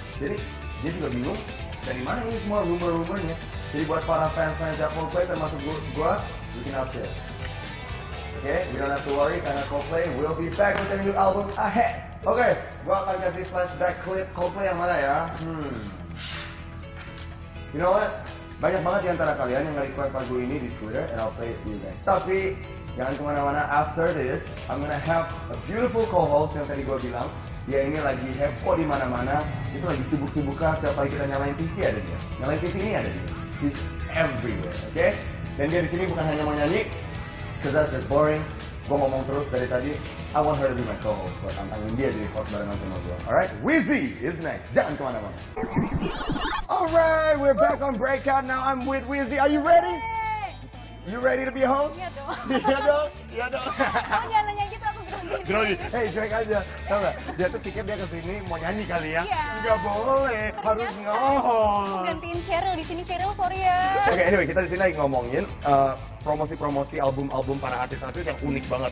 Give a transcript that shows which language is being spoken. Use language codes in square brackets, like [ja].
[id] Jadi dia juga bingung dari mana ini semua rumor-rumornya. Jadi buat para fans-fans yang Coldplay termasuk gua, [en] you can have chill. Okay, we don't have to worry [id] karena [en] Coldplay will be back with a new album ahead. [id] Okay, gua akan kasih flashback clip Coldplay yang mana ya. [en] You know what? [id] Banyak banget di antara kalian yang nge-request lagu ini di Twitter [en] and I'll play it for you guys. [id] Tapi jangan kemana-mana, [en] after this, I'm gonna have a beautiful co-host [id] yang tadi gue bilang. Dia ini lagi heboh di mana-mana, itu lagi sibuk-sibuknya, setiap kali kita nyalain TV ada dia. Nyalain TV ini ada dia. [en] He's everywhere, okay? [id] Dan dia di sini bukan hanya mau nyanyi, [en] because that's just boring. [id] gue ngomong terus dari tadi, [en] I want her to be my co-host, but I'm [id] angin dia jadi host bareng sama gue. [en] Alright, Wizzy is next, [id] jangan kemana-mana. [en] Alright, we're back on Breakout, now I'm with Wizzy, are you ready? You ready to be a host? [id] Iya dong. Oh, jangan nanya gitu, aku grogi. Hey, cuek aja. Tau gak? Dia tuh tiket dia kesini mau nyanyi kali ya? Iya. Gak boleh. Harus ngohong. Gantiin Cheryl di sini. Cheryl, sorry ya. Okay, anyway, kita di sini lagi ngomongin promosi-promosi album-album para artis-artis yang unik banget.